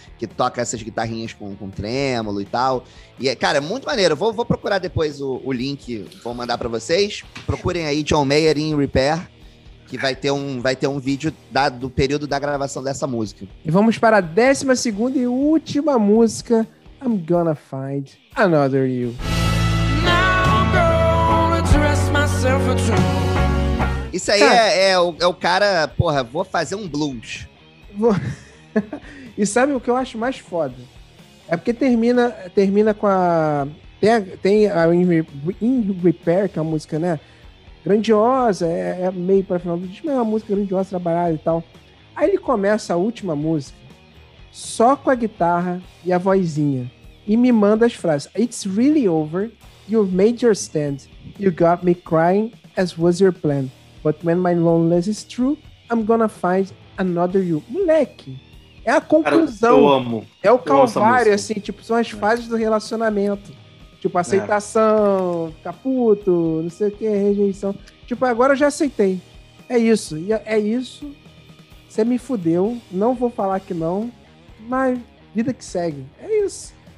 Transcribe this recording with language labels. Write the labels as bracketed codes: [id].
[pt] Que toca essas guitarrinhas com trêmulo e tal. E, cara, é muito maneiro. Vou procurar depois o link. Vou mandar pra vocês. Procurem aí John Mayer In Repair. Que vai ter um vídeo do período da gravação dessa música. E vamos para a 12ª e última música... [en] I'm gonna find another you. Now I'm gonna dress myself a dream. [pt] Isso aí é o cara, porra, vou fazer um blues. E sabe o que eu acho mais foda? É porque termina com a... Tem a In Repair, que é uma música, né? Grandiosa, é meio para final do disco, mas é uma música grandiosa, trabalhada e tal. Aí ele começa a última música só com a guitarra e a vozinha. E me manda as frases. [en] It's really over. You've made your stand. You got me crying as was your plan. But when my loneliness is true, I'm gonna find another you. [pt] Moleque, é a conclusão. Cara, eu amo. É o calvário, assim. Tipo, são as fases do relacionamento. Tipo, aceitação, ficar puto, não sei o que, rejeição. Tipo, agora eu já aceitei. É isso. É isso. Você me fudeu. Não vou falar que não. Mas vida que segue. É isso.